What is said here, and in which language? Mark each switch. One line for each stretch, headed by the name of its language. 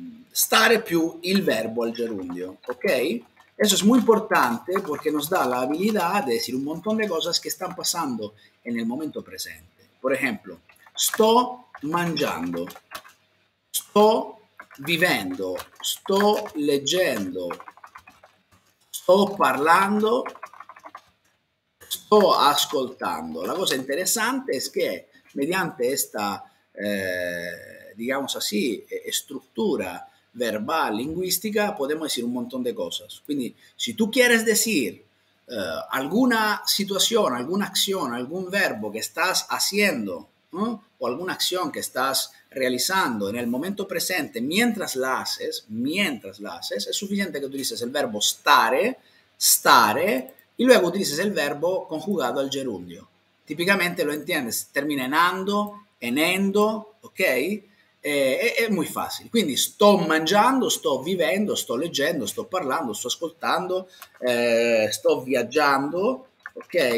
Italian: stare più il verbo al gerundio, ok?
Spanish: Eso es muy importante porque nos da la habilidad de decir un montón de cosas que están pasando en el momento presente. Por ejemplo,
Italian: sto mangiando, sto vivendo, sto leggendo, sto parlando, sto ascoltando.
Spanish: La cosa interesante es que mediante esta, digamos así, estructura verbal, lingüística, podemos decir un montón de cosas. Quindi, si tú quieres decir alguna situación, alguna acción, algún verbo que estás haciendo, ¿no? O alguna acción que estás realizando en el momento presente mientras la haces, es suficiente que utilices el verbo stare, stare, y luego utilices el verbo conjugado al gerundio. Típicamente lo entiendes, termina en ando, enendo, ¿ok?
Italian: È molto facile, quindi sto mangiando, sto vivendo, sto leggendo, sto parlando, sto ascoltando, sto viaggiando, ok?